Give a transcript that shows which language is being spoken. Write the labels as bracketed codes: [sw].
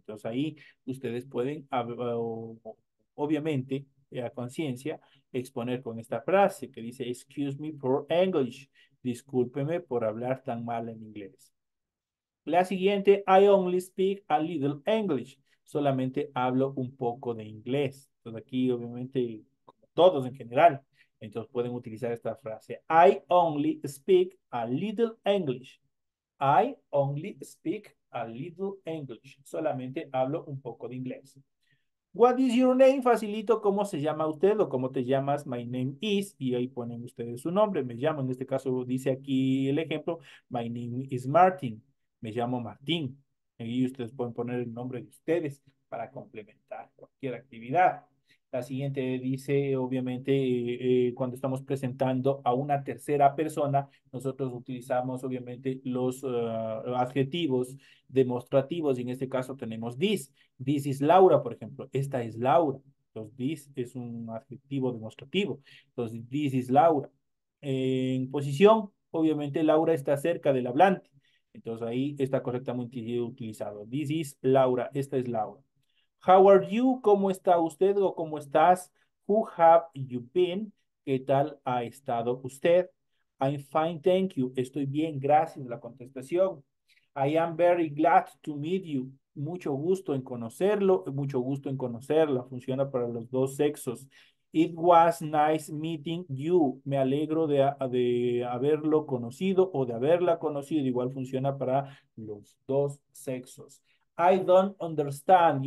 [es] Entonces ahí ustedes pueden, obviamente, a conciencia, exponer con esta frase que dice, [en] excuse me for English, [es] discúlpeme por hablar tan mal en inglés. La siguiente, [en] I only speak a little English, [es] solamente hablo un poco de inglés. Entonces aquí obviamente, como todos en general, entonces pueden utilizar esta frase, [en] I only speak a little English. I only speak a little English. [es] Solamente hablo un poco de inglés. [en] What is your name? [es] Facilito, ¿cómo se llama usted o cómo te llamas? [en] My name is, [es] y ahí ponen ustedes su nombre. Me llamo, en este caso dice aquí el ejemplo, [en] my name is Martin. [es] Me llamo Martín. Y ustedes pueden poner el nombre de ustedes para complementar cualquier actividad. La siguiente dice, obviamente, cuando estamos presentando a una tercera persona, nosotros utilizamos, obviamente, los adjetivos demostrativos. Y en este caso tenemos this. [en] This is Laura, [es] por ejemplo. Esta es Laura. Entonces, this es un adjetivo demostrativo. Entonces, [en] this is Laura. [es] En posición, obviamente, Laura está cerca del hablante. Entonces, ahí está correctamente utilizado. [en] This is Laura. [es] Esta es Laura. [en] How are you? [es] ¿Cómo está usted o cómo estás? [en] Who have you been? [es] ¿Qué tal ha estado usted? [en] I'm fine, thank you. [es] Estoy bien, gracias por la contestación. [en] I am very glad to meet you. [es] Mucho gusto en conocerlo, mucho gusto en conocerla. Funciona para los dos sexos. [en] It was nice meeting you. [es] Me alegro de haberlo conocido o de haberla conocido. Igual funciona para los dos sexos. [en] I don't understand.